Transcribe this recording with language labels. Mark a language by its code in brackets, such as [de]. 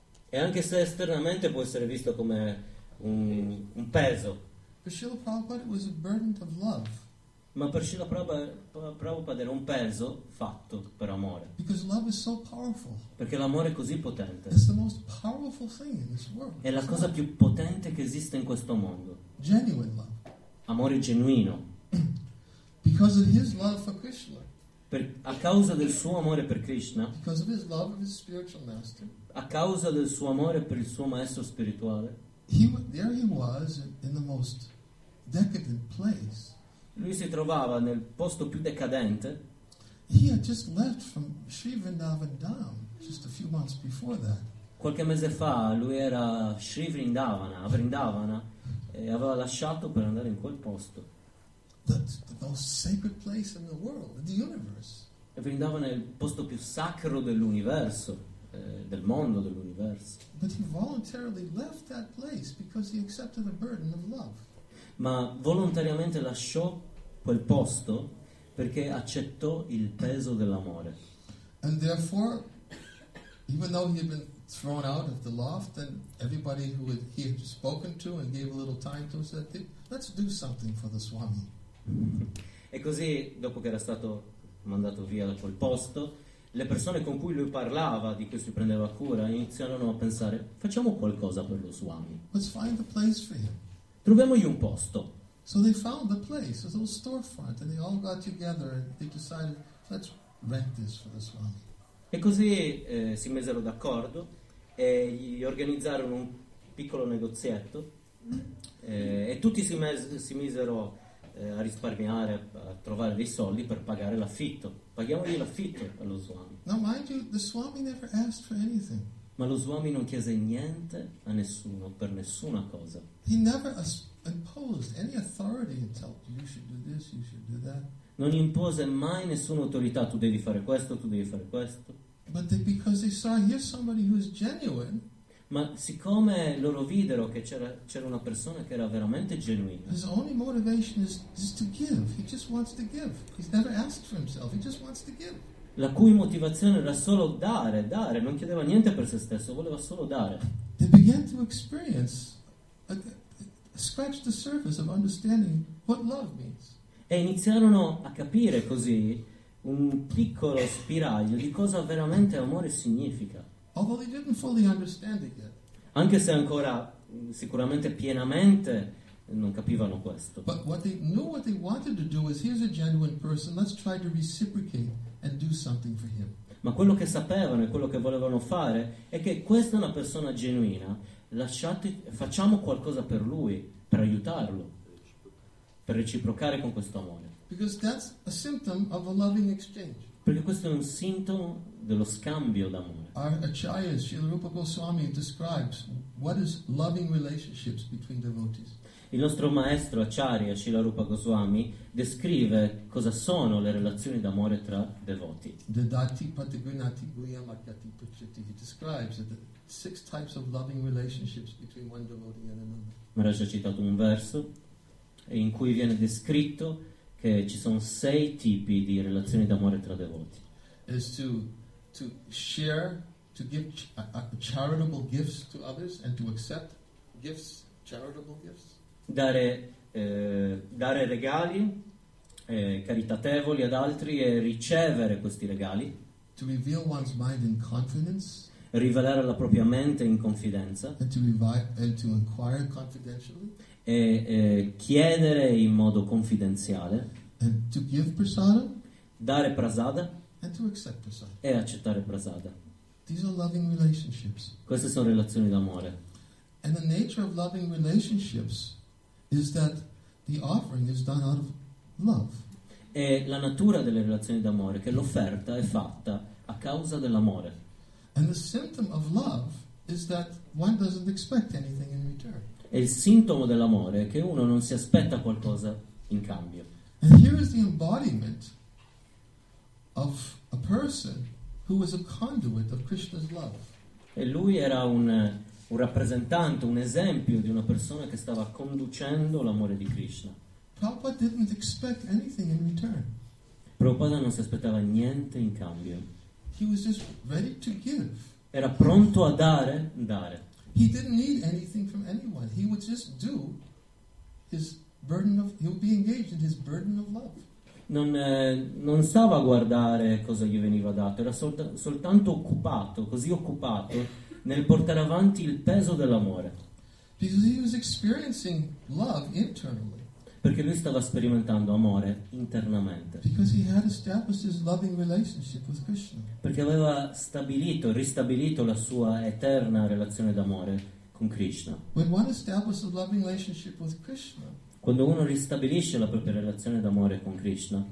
[it] e anche se esternamente può essere visto come un peso, [en] for Srila Prabhupada it was a burden of love. [it] Ma per Srila Prabhupada era un peso fatto per amore. [en] Because love is so powerful. [it] Perché l'amore è così potente. [en] It's the most powerful thing in this world. [it] È la cosa più potente che esiste in questo mondo. [en] Genuine love. [it] Amore genuino. [en] Because of his love for Krishna. [it] A causa del suo amore per Krishna, [en] because of his love of his spiritual master, [it] a causa del suo amore per il suo maestro spirituale, [en] there he was in the most decadent place. [it] Lui si trovava nel posto più decadente. [en] He had just left from Sri Vrindavan Dham just a few months before that. [it] Qualche mese fa lui era Sri Vrindavana, e aveva lasciato per andare in quel posto. [en] The most sacred place in the world, the universe. [it] E Vrindavan è il posto più sacro dell'universo, del mondo, dell'universo. [en] But he voluntarily left that place because he accepted the burden of love. [it] Ma volontariamente lasciò quel posto perché accettò il peso dell'amore. [en] And therefore, even though he had been thrown out of the loft, then everybody who he had spoken to and gave a little time to said, "Let's do something for the Swami." [it] E così, dopo che era stato mandato via da quel posto, le persone con cui lui parlava, di cui si prendeva cura, iniziarono a pensare: facciamo qualcosa per lo Swami. [en] Let's find a place for him. [it] Troviamogli un posto. [en] So they found the place, a little storefront, and they all got together and they decided, let's rent this for the Swami. [it] E così si misero d'accordo e gli organizzarono un piccolo negozietto e tutti si misero a risparmiare, a trovare dei soldi per pagare l'affitto. Paghiamogli l'affitto allo Swami. [en] Now mind you, the Swami never asked for anything. [it] Ma lo Swami non chiese niente a nessuno, per nessuna cosa. [en] He never imposed any authority and told you should do this, you should do that. [it] Non impose mai nessuna autorità, tu devi fare questo, tu devi fare questo. [en] But they, because they saw here somebody who is genuine. [it] Ma siccome loro videro che c'era una persona che era veramente genuina. [en] His only motivation is to give. He just wants to give. He's never asked for himself. He just wants to give. [it] La cui motivazione era solo dare, non chiedeva niente per se stesso, voleva solo dare. [en] They began to experience, scratch the surface of understanding what love means. [it] E iniziarono a capire così un piccolo spiraglio di cosa veramente amore significa. [en] Although they didn't fully understand it yet. [it] Anche se ancora sicuramente pienamente non capivano questo. [en] But what they knew what they wanted to do is, here's a genuine person, let's try to reciprocate and do something for him. [it] Ma quello che sapevano e quello che volevano fare è che questa è una persona genuina, facciamo qualcosa per lui, per aiutarlo, per reciprocare con questo amore. [en] Because that's a symptom of a loving exchange. [it] Perché questo è un sintomo dello scambio d'amore. [en] Our Acharya, Srila Rupa Goswami, describes what is loving relationships between devotees. [it] Il nostro maestro Acharya, Srila Rupa Goswami, descrive cosa sono le relazioni d'amore tra devoti. [sa] Dadati patigunati guyam akyati pucchati. [en] He describes the six types of loving relationships between one devotee and another. [it] Maharaj ha citato un verso in cui viene descritto che ci sono sei tipi di relazioni d'amore tra devoti. [en] Is to share, to give charitable gifts to others and to accept gifts, charitable gifts. [it] Dare regali caritatevoli ad altri e ricevere questi regali. [en] To reveal one's mind in confidence. [it] Rivelare la propria mente in confidenza. [en] And to inquire confidentially. [it] E chiedere in modo confidenziale. [en] And to give prasada. [it] Dare prasada. [en] And to accept prasada. [it] E accettare prasada. [en] These are loving relationships. [it] Queste sono relazioni d'amore. [en] And the nature of loving relationships is that the offering is done out of love. [it] E la natura delle relazioni d'amore che l'offerta è fatta a causa dell'amore. [en] And the symptom of love is that one doesn't expect anything in return. [it] E il sintomo dell'amore è che uno non si aspetta qualcosa in cambio. [en] And here is the embodiment of a person who is a conduit of Krishna's love. [it] E lui era un rappresentante, un esempio di una persona che stava conducendo l'amore di Krishna. [en] Prabhupada didn't expect anything in return. [it] Prabhupada non si aspettava niente in cambio. [en] He was just ready to give. [it] Era pronto a dare. [en] He didn't need anything from anyone. He would just do his burden of. He would be engaged in his burden of love. [it] Non stava a guardare cosa gli veniva dato. Era soltanto occupato, così occupato nel portare avanti il peso dell'amore. [en] Because he was experiencing love internally. [it] Perché lui stava sperimentando amore internamente. [en] Because he had established his loving relationship with Krishna. [it] Perché aveva stabilito, ristabilito la sua eterna relazione d'amore con Krishna. [en] When one establishes a loving relationship with Krishna. [it] Quando uno ristabilisce la propria relazione d'amore con Krishna.